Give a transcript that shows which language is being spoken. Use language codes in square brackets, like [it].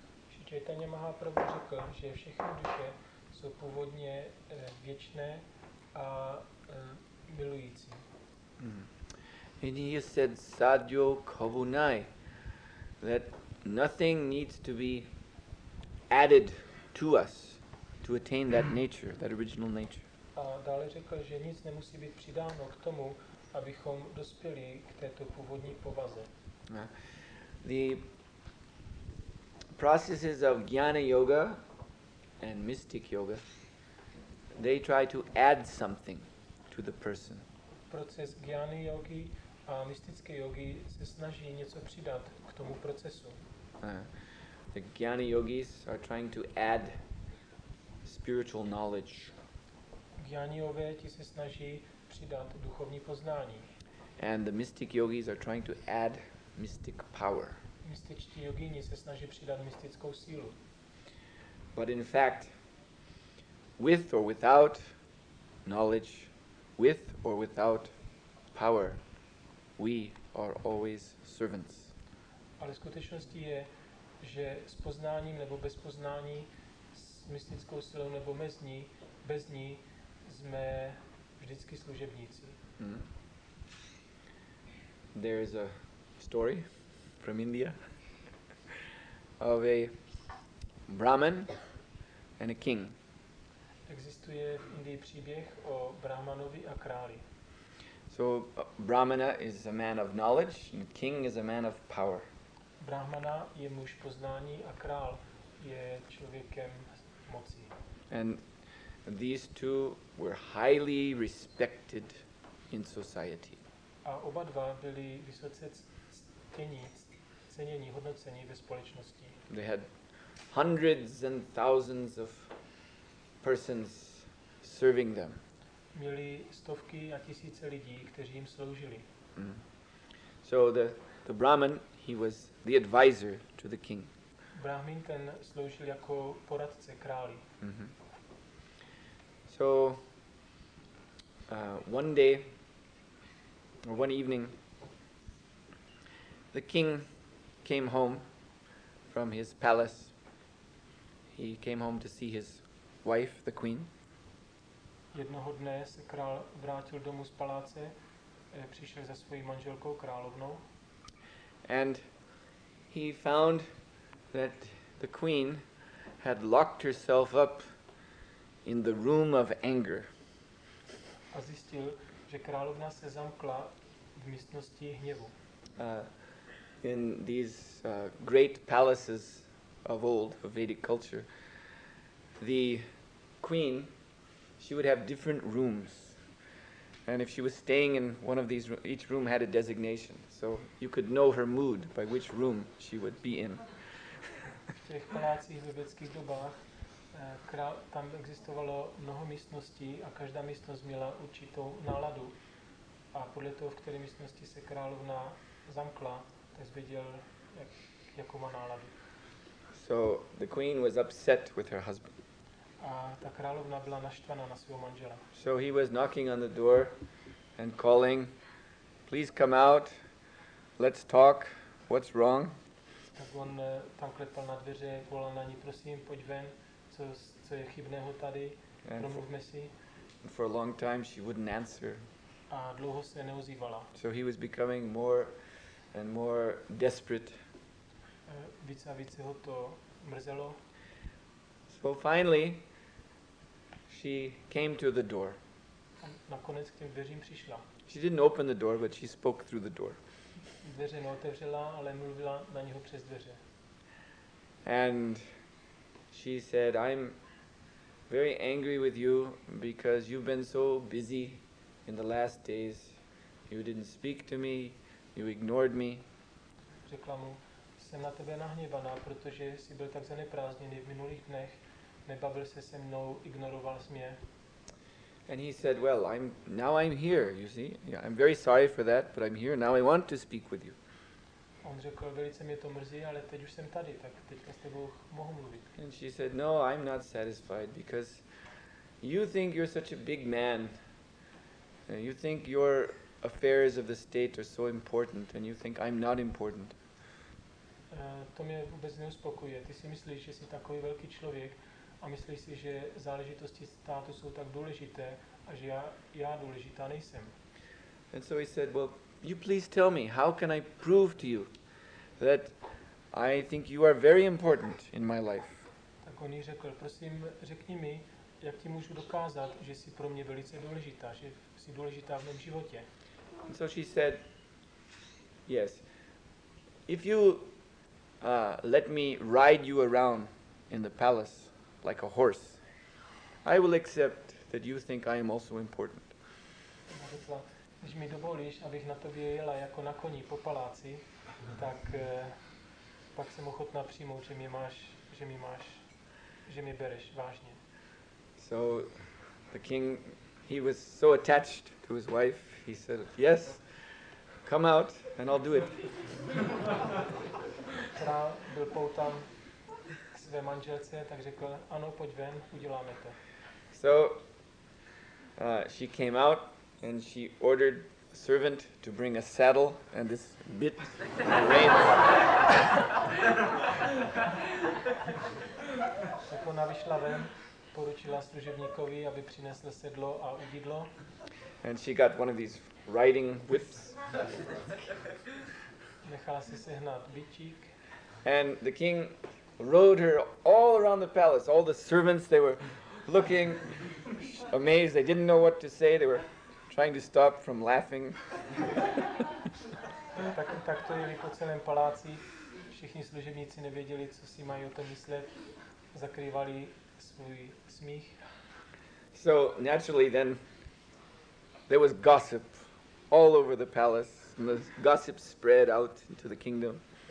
[cs] Sri Chaitanya Mahaprabhu řekl, že všechny duše jsou původně věčné a milující. [en] And he said, sadyo kavunai, that nothing needs to be added to us to attain that nature, that original nature. [cs] A dále řekl, že nic nemusí být přidáno k tomu, abychom dospěli k této původní povaze. [en] The processes of jnana yoga and mystic yoga, they try to add something to the person. [cs] Proces jnana yogi a mystické yogi se snaží něco přidat k tomu procesu. [en] The jnana yogis are trying to add spiritual knowledge. [cs] Jnaniové ti se snaží přidat duchovní poznání. [en] And the mystic yogis are trying to add mystic power. [cs] Mystičtí jogíni se snaží přidat mystickou sílu. [en] But in fact, with or without knowledge, with or without power, we are always servants. [cs] Ale skutečností je, že s poznáním nebo bez poznání, s mystickou silou nebo bez ní, jsme vždycky služebníci. Mm-hmm. [en] There is a story from India of a Brahmin and a king. [cs] Existuje v Indii příběh o Brahmanovi a králi. [en] So Brahmana is a man of knowledge and king is a man of power. [cs] Brahmana je muž poznání a král je člověkem moci. [en] And these two were highly respected in society. [cs] A oba dva byli vysoce ceněni, hodnoceni ve společnosti. [en] They had hundreds and thousands of persons serving them. [cs] Měli stovky a tisíce lidí, kteří jim sloužili. Mm. [en] So the Brahmin, he was the advisor to the king. [cs] Brahmin ten sloužil jako poradce králi. Mm-hmm. [en] So one day, one evening, the king came home from his palace. He came home to see his wife, the queen. [cs] Jednoho dne se král vrátil domů z paláce, přišel za svojí manželkou královnou. [en] And he found that the queen had locked herself up in the room of anger. [cs] A zjistil, že královna se zamkla v místnosti hněvu. [en] In these great palaces of old, of Vedic culture, the queen, she would have different rooms. And if she was staying in one of these, each room had a designation. So you could know her mood by which room she would be in. [cs] V těch palácích ve vědeckých dobách, tam existovalo mnoho místností a každá místnost měla určitou náladu. A podle toho, v které místnosti se královna zamkla, tak zvěděl, jakou má náladu. [en] So the queen was upset with her husband. [cs] A ta královna byla naštvaná na svého manžela. [en] So he was knocking on the door and calling, please come out, let's talk, what's wrong? [cs] Tak on tam klepal na dveře, volal na ní, prosím, pojď ven, co je chybného tady, promluvme si. [en] And for a long time she wouldn't answer. [cs] A dlouho se neozývala. [en] So he was becoming more and more desperate. [cs] Více a více ho to mrzelo. [en] So finally, she came to the door. [cs] Nakonec k těm dveřím přišla. [en] She didn't open the door, but she spoke through the door. [cs] Dveře neotevřela, ale mluvila na něho přes dveře. [en] And she said, I'm very angry with you because you've been so busy in the last days. You didn't speak to me, you ignored me. [cs] Řekla mu, jsem na tebe nahněvaná, protože jsi byl tak zaneprázdněný v minulých dnech. Nebavil se se mnou, ignoroval jsi mě. [en] And he said, well, I'm here, you see. Yeah, I'm very sorry for that, but I'm here. Now I want to speak with you. On řekl, velice mě to mrzí, ale teď už jsem tady, tak teďka s tebou mohu mluvit. And she said, no, I'm not satisfied because you think you're such a big man. You think your affairs of the state are so important and you think I'm not important. [cs] To mě vůbec neuspokuje. Ty si myslíš, že jsi takový velký člověk, a myslíš si, že záležitosti státu jsou tak důležité a že já důležitá nejsem. [en] And so he said, well, you please tell me, how can I prove to you that I think you are very important in my life? [cs] Tak on jí řekl, prosím, řekni mi, jak ti můžu dokázat, že jsi pro mě velice důležitá, že jsi důležitá v mém životě. [en] And so she said, yes, if you let me ride you around in the palace like a horse. I will accept that you think I am also important. [cs] Když mi dovolíš, abych na tobě jela jako na koni po paláci, tak pak jsem ochotná přijmout, že mě máš, že mi máš, že mě bereš vážně. [en] So the king, he was so attached to his wife, he said, yes, come out and I'll do it. [cs] Král byl poután k své manželce, tak řekl, ano, pojď ven, uděláme to. [en] So she came out. And she ordered a servant to bring a saddle and this bit of the reins. [cs] Tak ona vyšla ven, poručila služebníkovi, aby přinesl sedlo a udidlo. [en] And she got one of these riding whips. [cs] Nechala si sehnat bičík. [en] And the king rode her all around the palace. All the servants, they were looking amazed. They didn't know what to say. They were trying to stop from laughing. [cs] Tak to jeli po celém paláci. Všichni služebníci nevěděli, co si mají o tom myslet. Zakrývali svůj smích. [en] So naturally then there was gossip all over the palace. And the gossip spread out into the kingdom.